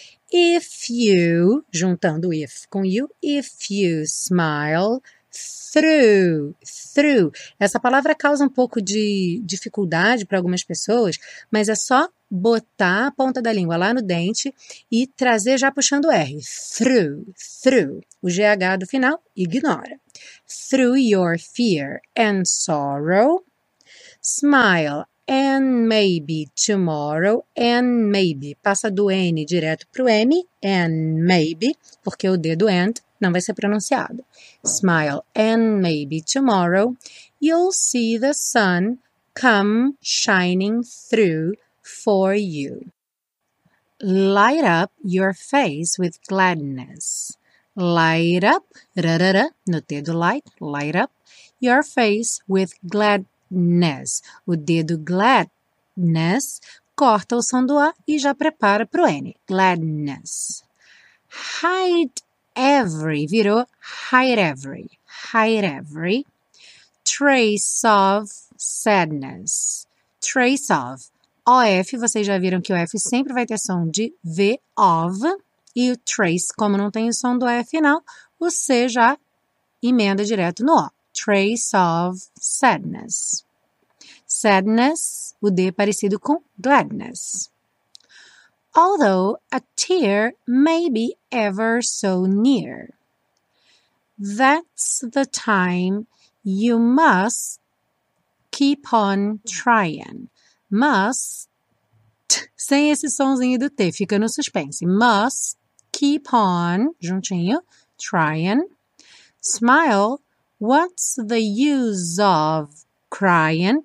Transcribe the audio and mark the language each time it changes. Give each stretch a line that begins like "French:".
English: If you,
Portuguese: juntando if com you,
English: if you smile through, through.
Portuguese: Essa palavra causa um pouco de dificuldade para algumas pessoas, mas é só botar a ponta da língua lá no dente e trazer já puxando o R.
English: Through, through.
Portuguese: O GH do final, ignora.
English: Through your fear and sorrow, smile and maybe tomorrow, and maybe.
Portuguese: Passa do N direto para o M,
English: and maybe,
Portuguese: porque o D do and não vai ser pronunciado.
English: Smile and maybe tomorrow, you'll see the sun come shining through for you. Light up your face with gladness. Light up, rarara,
Portuguese: no T do
English: light, light up your face with gladness.
Portuguese: O dedo gladness corta o som do A e já prepara para o N.
English: Gladness. Hide every, virou hide every, hide every. Trace of sadness, trace of.
Portuguese: OF, vocês já viram que o F sempre vai ter som de V, of. E o trace, como não tem o som do F final, o C já emenda direto no O.
English: Trace of sadness.
Portuguese: Sadness, o D parecido com gladness.
English: Although a tear may be ever so near, that's the time you must keep on trying.
Portuguese: Must, sem esse sonzinho do T, fica no suspense.
English: Must keep on, juntinho, trying. Smile, what's the use of crying?